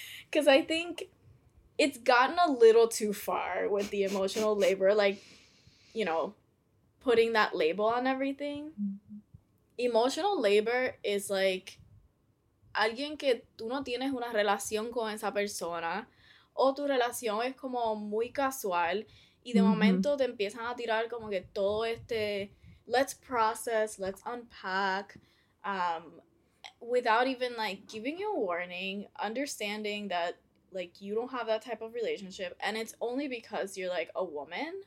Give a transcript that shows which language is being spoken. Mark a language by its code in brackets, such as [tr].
[en] Because I think it's gotten a little too far with the emotional labor, like, you know, putting that label on everything. Mm-hmm. [es] Emotional labor is, like, alguien que tú no tienes una relación con esa persona, o tu relación es como muy casual, y de mm-hmm. momento te empiezan a tirar como que todo este, [en] let's process, let's unpack, without even, like, giving you a warning, understanding that, like, you don't have that type of relationship, and it's only because you're, like, a woman,